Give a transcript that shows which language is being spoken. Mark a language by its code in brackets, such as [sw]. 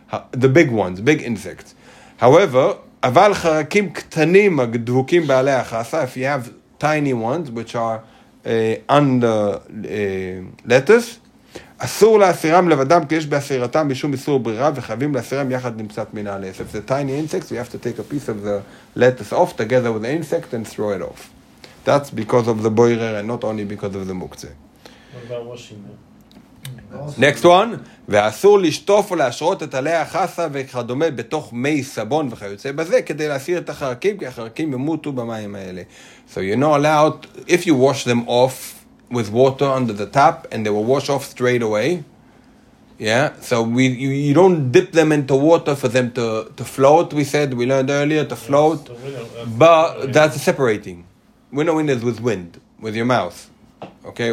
[en] The big ones, big insects. However, [he] aval charakim ktanim agdvukim ba'alei achasa, [en] if you have tiny ones, which are under lettuce, [he] אסור להסירם לבדם כי יש באסירתם משום איסור ברירה וחייבים להסירם יחד נמצאת מן העלה. [en] If it's a tiny insect, we have to take a piece of the lettuce off together with the insect and throw it off. That's because of the boirer and not only because of the mukze. What about washing? Next one. [he] ואסור לשטוף או להשרות את עלי החסה וכדומה בתוך מי סבון וכיוצא בזה כדי להסיר את החרקים כי החרקים ימותו במים האלה. [en] So you're not allowed, if you wash them off, with water under the tap and they will wash off straight away. Yeah? So you don't dip them into water for them to float, we said, we learned earlier, to float. But that's separating. Winnowing is with wind, with your mouth. Okay?